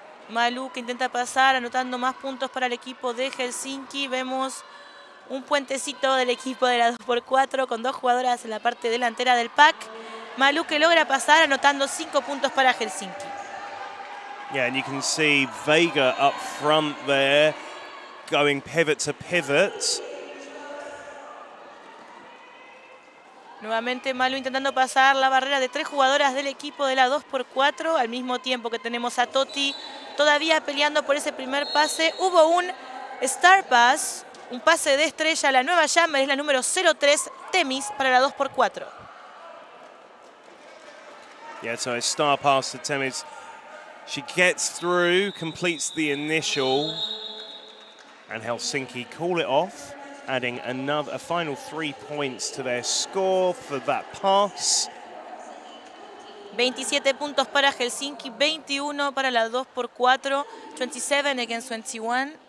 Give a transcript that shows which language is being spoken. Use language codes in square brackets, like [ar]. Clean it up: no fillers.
[es] Malú que intenta pasar anotando más puntos para el equipo de Helsinki. Vemos un puentecito del equipo de la 2x4 con dos jugadoras en la parte delantera del pack. Malú que logra pasar anotando 5 puntos para Helsinki. [en] Yeah, and you can see Vega up front there going pivot to pivot. [es] Nuevamente Malú intentando pasar la barrera de tres jugadoras del equipo de la 2x4 al mismo tiempo que tenemos a Toti todavía peleando por ese primer pase. Hubo un star pass, un pase de estrella. La nueva jammer es la número 03, Temis, para la 2x4. [en] Yeah, so a star pass to Temis. She gets through, completes the initial, and Helsinki call it off, adding another, a final 3 points to their score for that pass. [es] 27 puntos para Helsinki, 21 para la 2x4, [en] 27 against 21.